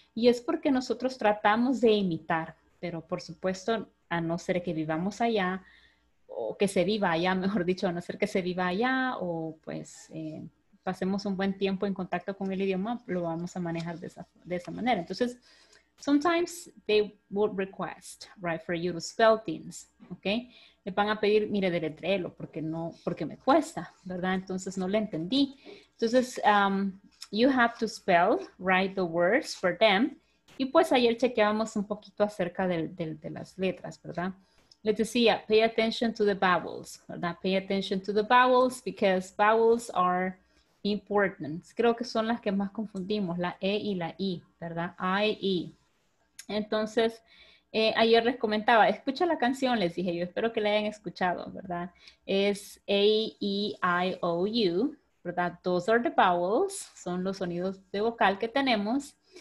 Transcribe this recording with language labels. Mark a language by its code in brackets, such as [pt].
[es] Y es porque nosotros tratamos de imitar, pero por supuesto, a no ser que vivamos allá, o que se viva allá, mejor dicho, a no ser que se viva allá, o pues pasemos un buen tiempo en contacto con el idioma, lo vamos a manejar de esa manera. [en] Entonces, sometimes they will request, right, for you to spell things, ¿ok? [es] Le van a pedir, mire, deletréelo, porque me cuesta, ¿verdad? Entonces, no le entendí. [en] Entonces, you have to spell, right, the words for them. [es] Y pues ayer chequeábamos un poquito acerca de las letras, ¿verdad? Les decía, [en] pay attention to the vowels, [es] ¿verdad? [en] Pay attention to the vowels because vowels are important. [es] Creo que son las que más confundimos, la E y la I, ¿verdad? I, E. Entonces, ayer les comentaba, escucha la canción, les dije yo, espero que la hayan escuchado, ¿verdad? Es A, E, I, O, U, ¿verdad? [en] Those are the vowels, [es] son los sonidos de vocal que tenemos.